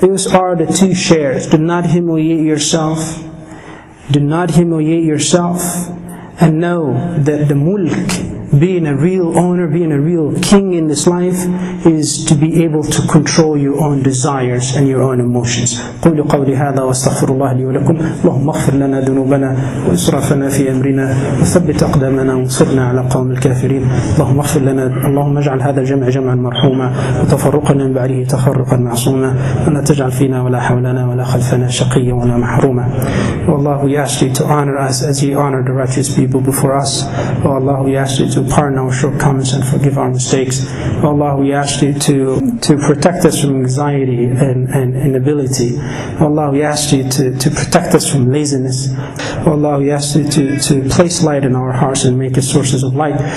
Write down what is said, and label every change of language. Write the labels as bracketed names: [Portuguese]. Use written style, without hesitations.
[English] Those are the two shares. Do not humiliate yourself. Do not humiliate yourself, and know that the mulk being a real owner, being a real king in this life, is to be able to control your own desires and your own emotions. [Arabic] قولوا قولي هذا واستغفر الله لي ولكم اللهم اغفر لنا ذنوبنا وإسرافنا في أمرنا وثبت أقدامنا وانصرنا على قوم الكافرين اللهم اغفر لنا اللهم اجعل هذا الجمع جمعا مرحوما وتفرقنا من بعده تفرقا معصوما ولا تجعل فينا ولا حولنا ولا خلفنا شقيا ولا محروما. [English] Allah, we ask you to honor us as you honor the righteous people before us. Oh Allah, we ask you to pardon our shortcomings and forgive our mistakes. Oh Allah, we ask you to protect us from anxiety and inability. Oh Allah, we ask you to protect us from laziness. Oh Allah, we ask you to place light in our hearts and make us sources of light.